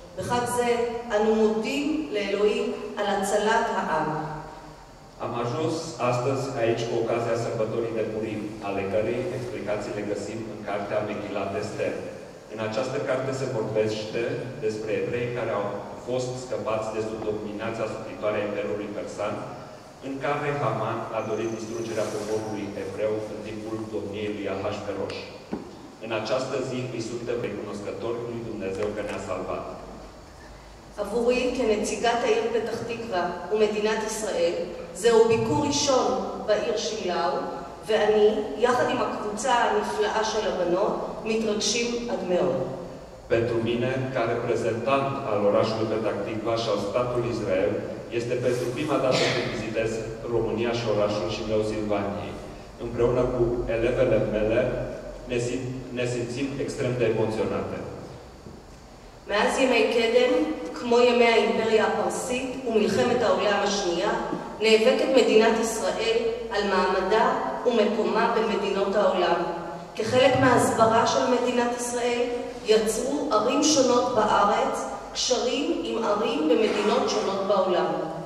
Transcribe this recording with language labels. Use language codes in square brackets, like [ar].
[he] בחג זה אנו מודים לאלוהים על הצלת העם. [ro] Am ajuns astăzi aici cu ocazia sărbătorii de Purim, ale cărei explicații le găsim în cartea Megilat Ester. În această carte se vorbește despre evrei care au fost scăpați de sub dominația asupritoare a Imperiului Persan, în care Haman a dorit distrugerea poporului evreu în timpul domniei lui Ahasferoș. În această zi îi suntem recunoscători lui Dumnezeu că ne-a salvat. [he] עבורי כנציגת העיר פתח תקווה ומדינת ישראל, זהו ביקור ראשון בעיר שילאו, ואני, יחד עם הקבוצה הנפלאה של הבנות, מתרגשים עד מאוד. [ro] Pentru mine, ca reprezentant al orașului Petah Tikva și al statului Israel, este pentru prima dată când vizitez România și orașul și meu Silvaniei. Împreună cu elevele mele, ne simțim extrem de emoționate. [he] מאז ימי קדם, כמו ימי האימפריה הפרסית ומלחמת העולם השנייה, נאבקת מדינת ישראל על מעמדה ומקומה במדינות העולם. כחלק מההסברה של מדינת ישראל, יצרו ערים שונות בארץ קשרים עם ערים במדינות שונות בעולם.